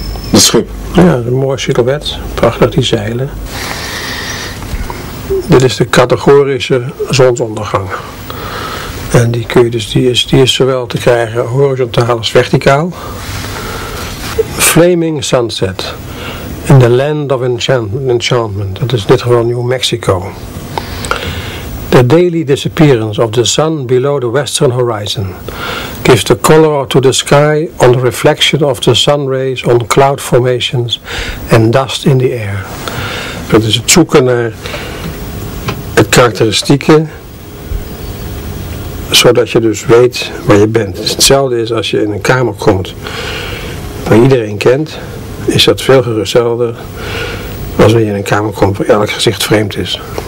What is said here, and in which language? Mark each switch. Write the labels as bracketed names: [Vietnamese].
[Dutch] Het schip. Ja, een mooi silhouet. Prachtig die zeilen. Dit is de categorische zonsondergang. En die kun je dus, die is zowel te krijgen horizontaal als verticaal. [English] Flaming sunset. In the land of enchantment. [Dutch] Dat is in dit geval New Mexico. [English] The daily disappearance of the sun below the western horizon gives the color to the sky on the reflection of the sun rays on cloud formations and dust in the air. [Dutch] Dat is het zoeken naar het karakteristieke, zodat je dus weet waar je bent. Hetzelfde is als je in een kamer komt waar iedereen kent, is dat veel geruststellender als wanneer je in een kamer komt waar elk gezicht vreemd is.